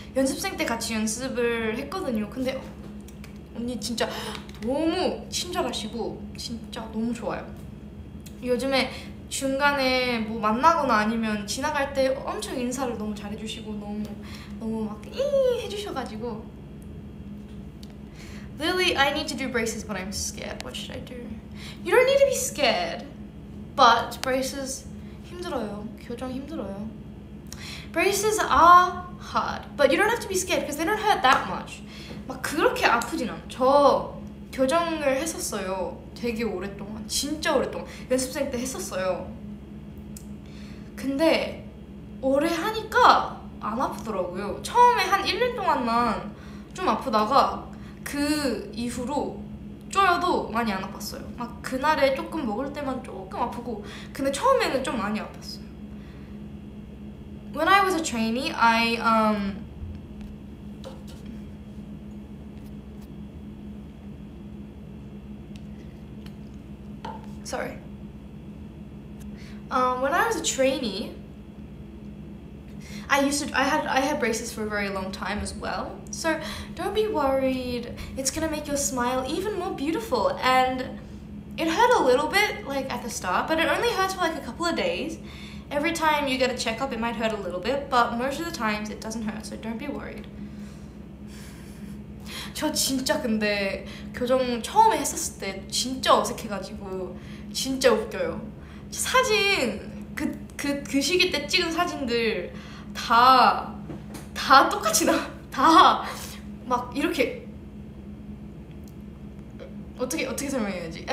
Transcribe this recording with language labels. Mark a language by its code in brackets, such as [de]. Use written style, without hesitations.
[ko] 연습생 때 같이 연습을 했거든요. 근데 언니 진짜 너무 친절하시고 진짜 너무 좋아요. 요즘에 중간에 뭐 만나거나 아니면 지나갈 때 엄청 인사를 너무 잘해주시고 너무 막 해주셔가지고. [en] Lily, I need to do braces, but I'm scared. What should I do? You don't need to be scared, but braces [ko] 힘들어요. 교정 힘들어요. [en] braces are hard, but you don't have to be scared because they don't hurt that much. [ko] 막 그렇게 아프진 않아. 저 교정을 했었어요. 되게 오랫동안, 진짜 오랫동안 연습생 때 했었어요. 근데 오래 하니까 안 아프더라고요. 처음에 한 1년 동안만 좀 아프다가 그 이후로 쪼여도 많이 안 아팠어요. 막 그날에 조금 먹을 때만 조금 아프고, 근데 처음에는 좀 많이 아팠어요. [en] When I was a trainee, I had braces for a very long time as well. So don't be worried. It's gonna make your smile even more beautiful. And it hurt a little bit, like at the start, but it only hurts for like a couple of days. Every time you get a checkup, it might hurt a little bit, but most of the times it doesn't hurt. So don't be worried. [ko] 저 진짜 근데 교정 처음에 했었을 때 진짜 어색해가지고 진짜 웃겨요. 사진 그 시기 때 찍은 사진들 다 똑같이 나 다 막 이렇게 어떻게 설명해야 되지?